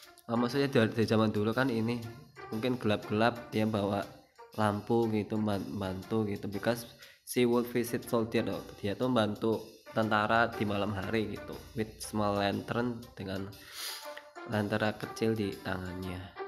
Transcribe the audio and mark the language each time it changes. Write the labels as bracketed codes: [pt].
[id] Oh, maksudnya dari zaman dulu kan ini mungkin gelap-gelap dia bawa lampu gitu, bantu gitu. [en] Because she would visit soldier. [id] Dia tuh bantu tentara di malam hari gitu. [en] With small lantern, [id] dengan lentera kecil di tangannya.